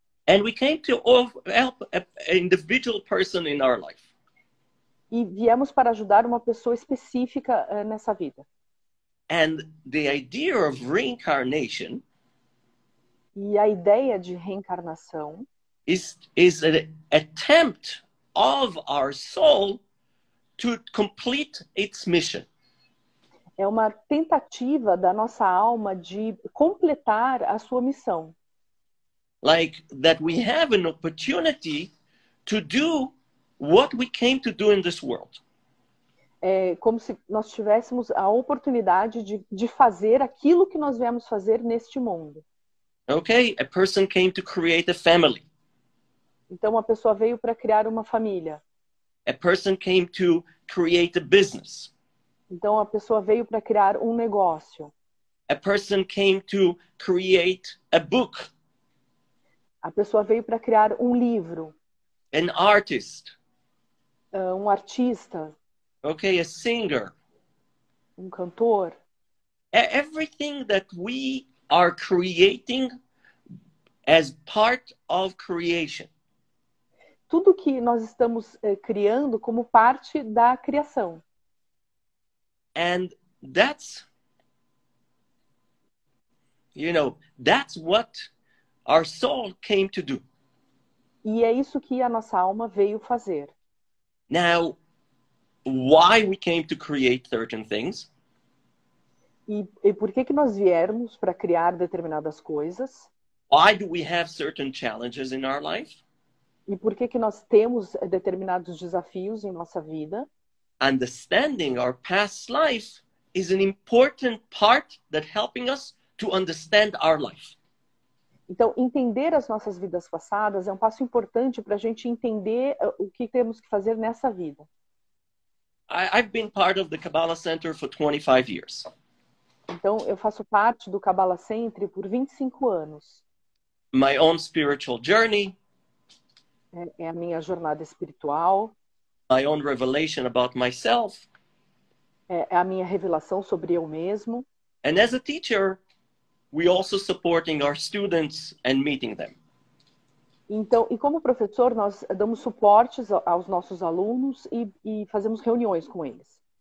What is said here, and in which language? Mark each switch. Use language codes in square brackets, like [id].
[en] And we came to help an individual person in our life. [pt] E viemos para ajudar uma pessoa específica nessa vida. [en] And the idea of reincarnation. [pt] E a ideia de reencarnação [en] is an attempt of our soul to complete its mission. [pt] É uma tentativa da nossa alma de completar a sua missão. [en] Like that we have an opportunity to do what we came to do in this world. [pt] É como se nós tivéssemos a oportunidade de fazer aquilo que nós viemos fazer neste mundo. [en] Okay, a person came to create a family. [pt] Então, uma pessoa veio para criar uma família. [en] A person came to create a business. [pt] Então, a pessoa veio para criar um negócio. [en] A person came to create a book. [pt] A pessoa veio para criar um livro. [en] An artist. [pt] Um artista. [en] Okay, a singer. [pt] Um cantor. [en] Everything that we are creating as part of creation. [pt] Tudo que nós estamos criando como parte da criação. [en] And that's, you know, that's what our soul came to do. [pt] E é isso que a nossa alma veio fazer. [en] Now, why we came to create certain things? [pt] E por que nós viemos para criar determinadas coisas? [en] Why do we have certain challenges in our life? [pt] E por que que nós temos determinados desafios em nossa vida? [en] Understanding our past life is an important part that helping us to understand our life. [pt] Então, entender as nossas vidas passadas é um passo importante para a gente entender o que temos que fazer nessa vida. [en] I've been part of the Kabbalah Center for 25 years. [pt] Então, eu faço parte do Kabbalah Center por 25 anos. [en] My own spiritual journey. [pt] É a minha jornada espiritual. [en] My own revelation about myself. [pt] É a minha revelação sobre eu mesmo. [en] And as a teacher, we also supporting our students and meeting them. [pt] Então, e como professor, nós damos suportes aos nossos alunos e fazemos reuniões com eles.